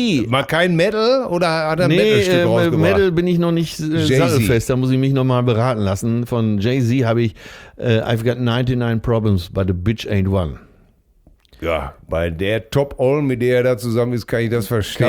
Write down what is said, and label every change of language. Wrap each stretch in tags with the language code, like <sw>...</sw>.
<de>Mal kein Metal oder hat er ein Metal-Stück rausgebracht? Nee, Metal bin ich noch nicht sattelfest, da muss ich mich nochmal beraten lassen. Von Jay-Z habe ich</de> <en>I've got 99 problems, but a bitch ain't one.</en> <de>Ja, bei der Top-All, mit der er da zusammen ist, kann ich das verstehen.</de>